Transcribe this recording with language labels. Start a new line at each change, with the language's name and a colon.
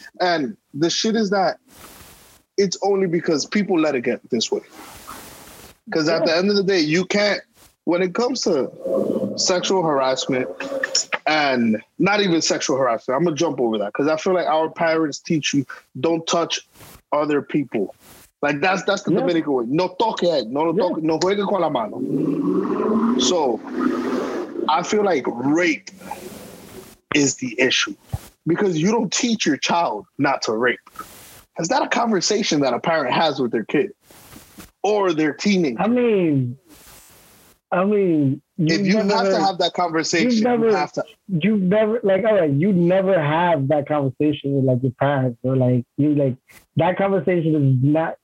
English: And the shit is that it's only because people let it get this way. Because at the end of the day, you can't, when it comes to sexual harassment, and not even sexual harassment, I'm going to jump over that. Because I feel like our parents teach you, don't touch other people. Like, that's the Dominican way.
Spanish: No toque, no juegue con la mano.
English: So, I feel like rape is the issue. Because you don't teach your child not to rape. Is that a conversation that a parent has with their kid? Or their teenager? I mean... You never have that conversation with like your parents or like you like that conversation is not.